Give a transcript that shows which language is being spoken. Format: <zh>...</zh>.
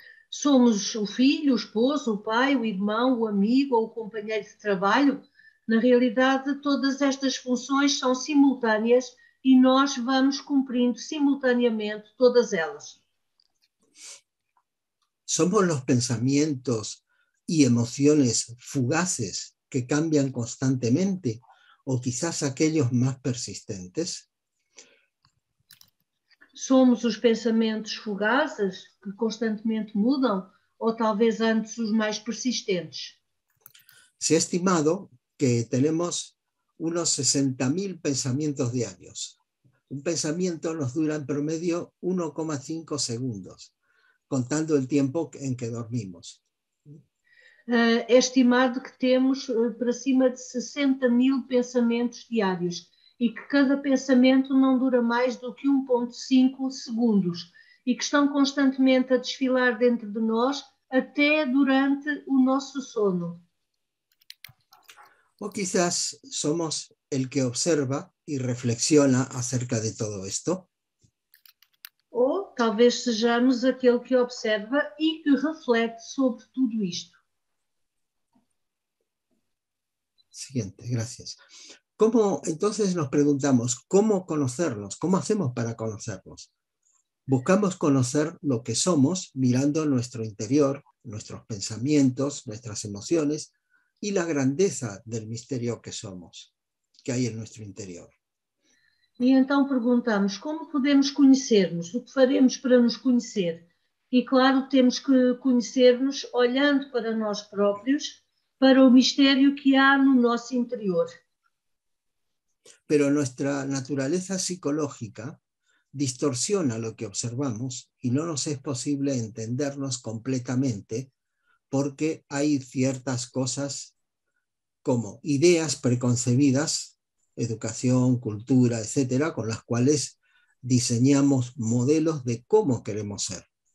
<pt>Somos o filho, o esposo, o pai, o irmão, o amigo ou o companheiro de trabalho. Na realidade, todas estas funções são simultâneas. E nós vamos cumprindo simultaneamente todas elas.</pt> <es>Somos los pensamientos y emociones fugaces que cambian constantemente, o quizás aquellos más persistentes.</es> <pt>Somos os pensamentos fugazes que constantemente mudam, ou talvez antes os mais persistentes.</pt> <es>Se ha estimado que tenemos unos 60.000 pensamientos diarios. Un pensamiento nos dura en promedio 1,5 segundos, contando el tiempo en que dormimos.</es> <pt>É estimado que temos para cima de 60 mil pensamentos diários e que cada pensamento não dura mais do que 1,5 segundos e que estão constantemente a desfilar dentro de nós até durante o nosso sono.</pt> <es>O quizás somos el que observa y reflexiona acerca de todo esto.</es> <pt>Ou talvez sejamos aquele que observa e que reflete sobre tudo isto.</pt> <es>Siguiente, gracias. ¿Cómo entonces nos preguntamos cómo conocerlos? ¿Cómo hacemos para conocerlos? Buscamos conocer lo que somos mirando nuestro interior, nuestros pensamientos, nuestras emociones y la grandeza del misterio que somos, que hay en nuestro interior.</es> <pt>E então perguntamos como podemos conhecermos, o que faremos para nos conhecer? E claro, temos que conhecermos olhando para nós próprios, para o mistério que há no nosso interior.</pt> <es>Pero nuestra naturaleza psicológica distorsiona lo que observamos y no nos es posible entendernos completamente porque hay ciertas cosas como ideas preconcebidas, educación, cultura, etcétera, con las cuales diseñamos modelos de cómo queremos ser.</es>